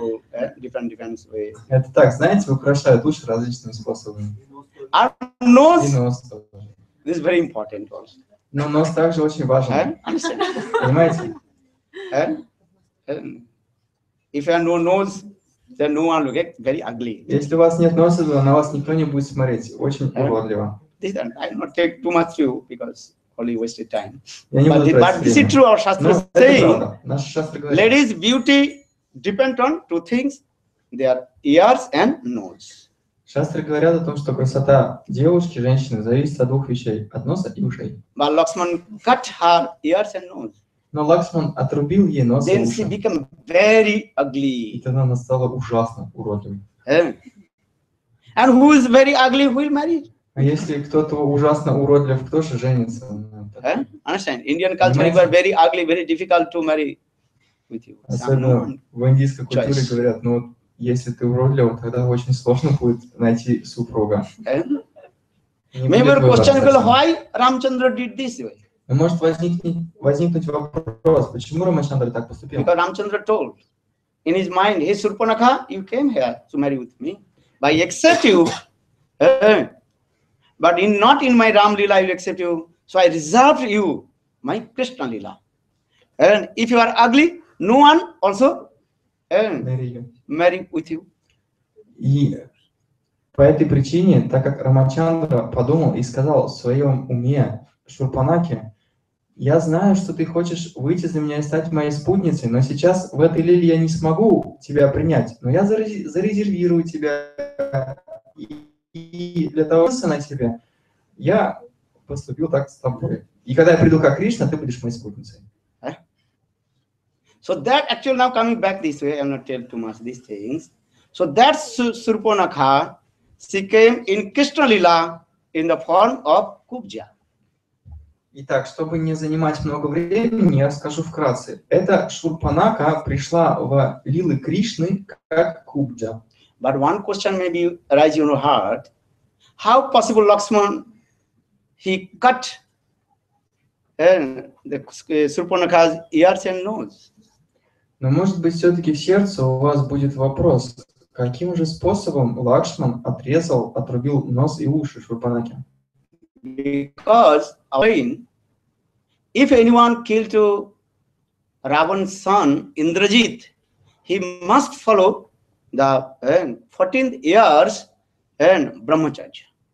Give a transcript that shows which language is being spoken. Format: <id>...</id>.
<ru>Это так, знаете, украшают уши различными способами. Но нос также очень важен. Понимаете?</ru> <en>If you have no nose, then no one look very ugly.</en> <ru>Если у вас нет носа, то на вас никто не будет смотреть. Очень уродливо.</ru> <en>I will not take too much view because only wasted time. But this is true, our Shastra is saying.</en> <ru>Наше Шастра говорит.</ru> <en>Ladies, beauty depends on two things: their ears and nose.</en> <ru>Шастры говорят о том, что красота девушки, женщины зависит от двух вещей: от носа и ушей.</ru> <en>But Lakshman cut her ears and nose.</en> <ru>Но Лакшман отрубил ей нос.</ru> <en>Then she became very ugly.</en> <ru>И тогда она стала ужасно уродливой.</ru> <en>And who is very ugly will marry?</en> <ru>А если кто-то ужасно уродлив, кто же женится?</ru> <en>Understand? Indian culture were very ugly, very difficult to marry with you.</en> <ru>Особенно в индийской культуре говорят, ну если ты уродлив, тогда очень сложно будет найти супруга.</ru> <en>Maybe your question will why Ramchandra did this way?</en> <ru>Может возникнуть вопрос, почему Рамачандра так поступил?</ru> <en>Because Ramchandra told in his mind, hey Srupanaka, you came here to marry with me, but I accept you. But in not in my Ram Lila I will accept you, so I reserved you my Krishna Lila. And if you are ugly, no one also marry with you.</en> <ru>И по этой причине, так как Рамачандра подумал и сказал в своем уме Шурпанаке, я знаю, что ты хочешь выйти за меня и стать моей спутницей, но сейчас в этой лиле я не смогу тебя принять, но я зарезервирую тебя. И для того, чтобы на тебе, я поступил так с тобой. И когда я приду как Кришна, ты будешь моей спутницей.</ru> <en>So that actually now coming back this way, I'm not telling too much these things. So that Srupanaka, she came in Krishna Lila in the form of Kubja.</en> <ru>Итак, чтобы не занимать много времени, я скажу вкратце. Эта Шурпанака пришла в лилы Кришны как кубджа.</ru> <en>But one question may be arise in your heart. How possible Lakshman, he cut the Shurpanakha's ears and nose?</en> <ru>Но может быть все-таки в сердце у вас будет вопрос, каким же способом Лакшман отрезал, отрубил нос и уши Шурпанаке?</ru> <en>Because again, if anyone killed Ravan's son Indrajit, he must follow the 14th years and Brahmacharya.</en>